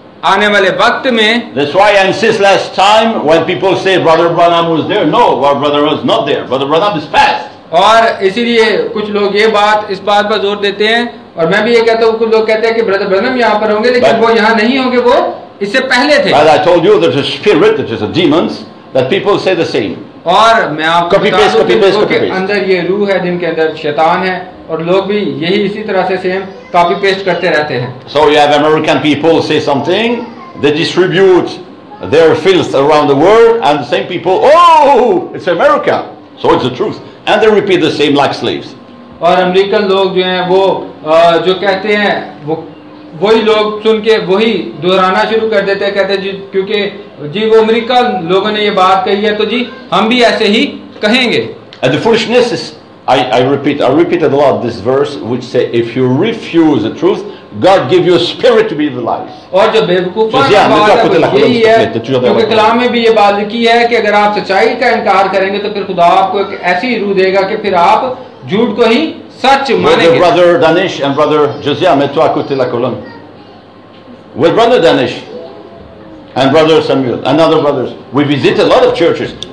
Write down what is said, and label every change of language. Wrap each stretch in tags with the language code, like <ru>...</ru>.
<hi>आने वाले वक्त में।</hi> <en>That's why I insist last time when people say brother ब्रानम was there, no brother was not there, brother ब्रानम is past.</en> <hi>और इसीलिए कुछ लोग ये बात इस बात पर जोर देते हैं और मैं भी ये कहता हूँ, कुछ लोग कहते हैं कि ब्रदर ब्रानम यहाँ पर होंगे लेकिन वो यहाँ नहीं होंगे, वो इससे पहले थे।</hi> <en>But I told you there's a spirit, there's a demons that people say the same.</en> <hi>और मैं आपको</hi> <en>copy paste.</en> <hi>अंदर ये रूह है जिनके अंदर शैतान है और लोग भी यही इसी तरह से सेम कॉपी पेस्ट करते रहते हैं।</hi> <en>So you have American people say something, they distribute their filth around the world and the same people, oh, it's America, so it's the truth, and they repeat the same like slaves.</en> <hi>और American लोग जो हैं वो जो कहते हैं वो वही लोग सुन के वही दोहराना शुरू कर देते हैं, कहते हैं जी क्योंकि जी वो अमेरिका लोगों ने ये बात कही है तो जी हम भी ऐसे ही कहेंगे।</hi> <en>And the foolishness is, I repeated a lot this verse which say if you refuse the truth, God give you a spirit to be the lies.</en> <hi>और जो बेवकूफ़ बात है क्योंकि कलाम में भी ये बात लिखी है कि अगर आप सच्चाई का इनकार करेंगे तो फिर खुदा आपको एक ऐसी रूह देगा कि फिर आप झूठ को ही सच मानेंगे।</hi> <en>Brother Danish and Brother Josiah,</en> <fr>mets-toi à côté la colonne.</fr> <en>With Brother Danish and Brother Samuel and other brothers, we visited a lot of churches.</en>